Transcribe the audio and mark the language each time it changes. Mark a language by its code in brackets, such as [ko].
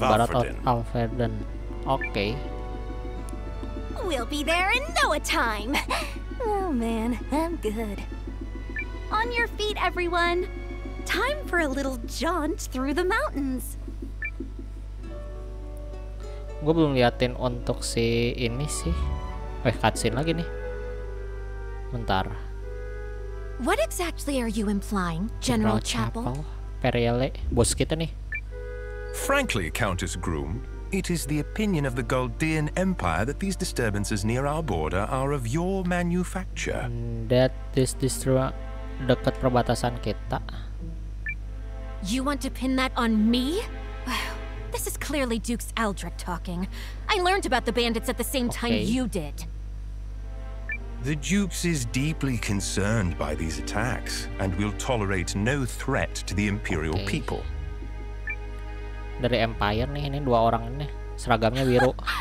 [id] barat Alfreden. Oke. [en] Okay. We'll be there in Noah time. Oh man, I'm good. On your feet, everyone. Time for a little jaunt through the mountains. [id] Gua belum liatin untuk si ini sih. Eh, cutscene lagi nih. Bentar. [en] What exactly are you implying, General Chapel? [id] Periele, bos kita nih. [en] Frankly, Countess Groom, it is the opinion of the Goldian Empire that these disturbances near our border are of your manufacture. That this disturbance [id] dekat perbatasan kita. [en] You want to pin that on me? Wow, this is clearly Duke's Aldrich talking. I learned about the bandits at the same time you did. The Dukes is deeply concerned by these attacks and will tolerate no threat to the Imperial people. [id] Dari Empire nih, ini dua orang ini seragamnya biru.